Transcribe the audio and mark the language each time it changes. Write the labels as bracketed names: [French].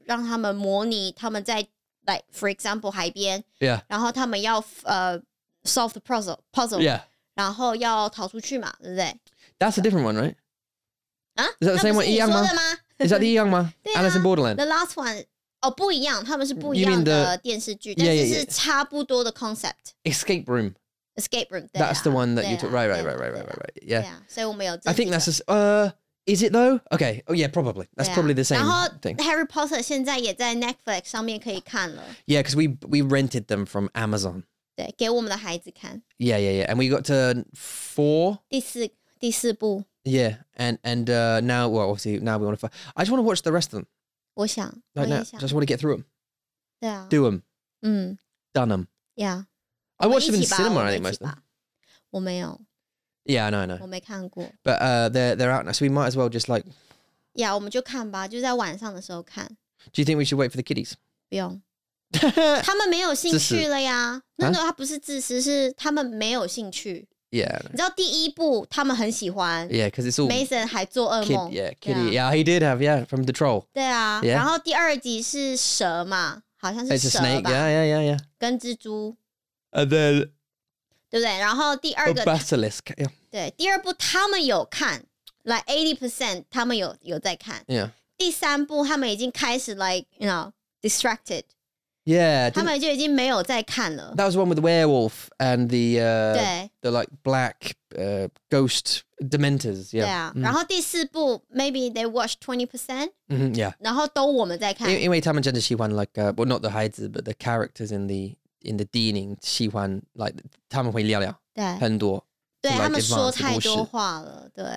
[Chinese] 然后他就是用很多科技的东西让他们模拟他们在 [English] like for example [Chinese] 海边 [English] yeah. [Chinese] 然后他们要 [English] solve the puzzle yeah. [Chinese] 然后要逃出去嘛 对不对? [English] That's a different one, right? [Chinese] 啊? [English] Is that the same one? [Chinese] 一样吗? [English] Is that the [Chinese] 一样吗? [English] Alice in Borderland? The last one [Chinese] 哦,不一样 他们是不一样的电视剧 但是是差不多的concept [English] yeah, yeah, yeah. Escape Room Escape Room That's the one that you took Right. Yeah. [Chinese] 对啊,所以我们有这几个 [English] I think that's a Is it though? Okay. Oh yeah, probably. That's probably the same thing. [Chinese] Harry Potter 现在也在 Netflix 上面可以看了. [English] Yeah, because we rented them from Amazon. [Chinese] 对，给我们的孩子看. [English] Yeah, yeah, yeah. And we got to 4. [Chinese] 第四部. [English] Yeah, and now well, obviously now we want to. I just want to watch the rest of them. [Chinese] 我想. [English] Right now, just want to get through them. [Chinese] 对啊. [English] Do them. 嗯. Done them. Yeah. I watched them in cinema. I think most of them. [Chinese] 我没有. [English] Yeah, I know. [Chinese] 我没看过. [English] But they're out now, so we might as well just like... [Chinese] Yeah, 我们就看吧, 就在晚上的时候看. [English] Do you think we should wait for the kiddies? [Chinese] 不用.他们没有兴趣了呀. [English] No, no, [Chinese] 他不是自私, 是他们没有兴趣. [English] Yeah. [Chinese] 你知道第一部, 他们很喜欢. [English] Yeah, because it's all... [Chinese] Mason还做噩梦. [English] Kiddie. Yeah. Yeah, he did have, yeah, from the troll. [Chinese] 对啊. [English] Yeah. [Chinese] 然后第二集是蛇嘛, 好像是蛇吧。 [English] It's a snake, yeah. [Chinese] 跟蜘蛛. [English] And then... [Chinese] 对不对?然后第二个, [English] a basilisk, yeah. [Chinese] 对,第二部他们有看, like 80% 他们有在看. [English] Yeah. [Chinese] 第三部他们已经开始 [English] like, you know, distracted. Yeah. [Chinese] 他们就已经没有在看了. [English] That was the one with the werewolf and the like black ghost dementors. Yeah. [Chinese] 对啊, 然后第四部, [English] maybe they watched 20%. Mm-hmm, yeah. [Chinese] 然后都我们在看. 因为他们真的喜欢 [English] like, well not the [Chinese] 孩子, [English] but the characters in the [Chinese] 电影, 喜欢, like, 他们会聊聊, 对, 很多, 对, like, 他们说太多话了, 对,